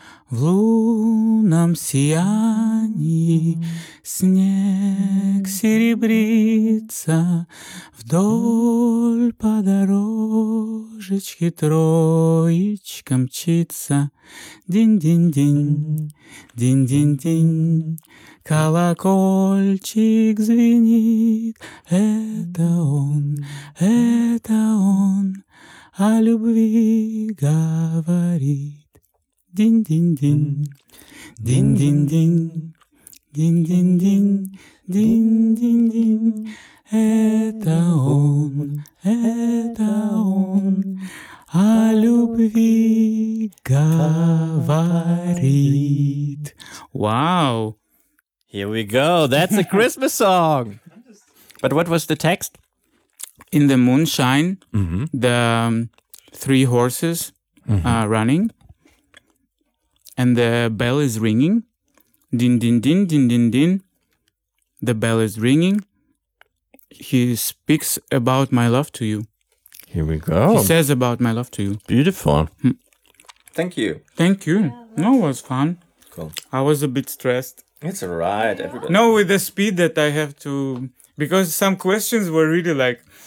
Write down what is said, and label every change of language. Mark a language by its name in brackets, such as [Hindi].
[Russian] В лунном сиянии снег серебрится вдоль по дорожечке троечка мчится динь-динь-динь, динь-динь-динь, колокольчик звенит, это он о любви говорит. Din din din, din din din, din din din, din din din. Это он, это он, о любви говорит. [English] Wow! Here we go. That's a Christmas song. But what was the text? In the moonshine, the three horses are running. And the bell is ringing, din din din din din din. The bell is ringing. He speaks about my love to you. Here we go. He says about my love to you. Beautiful. Thank you. Thank you. Yeah, no, it was fun. Cool. I was a bit stressed. It's all right, everybody. No, with the speed that I have to, because some questions were really like,